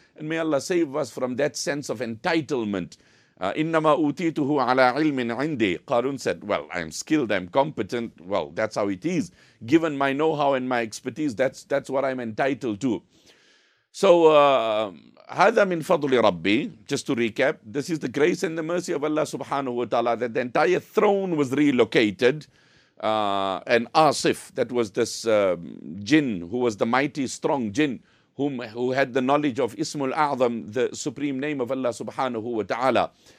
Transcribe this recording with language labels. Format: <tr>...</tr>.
<en>And may Allah save us from that sense of entitlement.</en> <ar>Innama utituhu ala ilmin indi.</ar> <en>Qarun said, well, I'm skilled, I'm competent. Well, that's how it is. Given my know-how and my expertise, that's what I'm entitled to.</en> <ar>So, هَذَا مِنْ فَضْلِ رَبِّي.</ar> <en>Just to recap, this is the grace and the mercy of Allah subhanahu wa ta'ala that the entire throne was relocated. And Asif, that was this jinn, who was the mighty, strong jinn, who had the knowledge of Ismul A'zam, the supreme name of Allah subhanahu wa ta'ala.</en>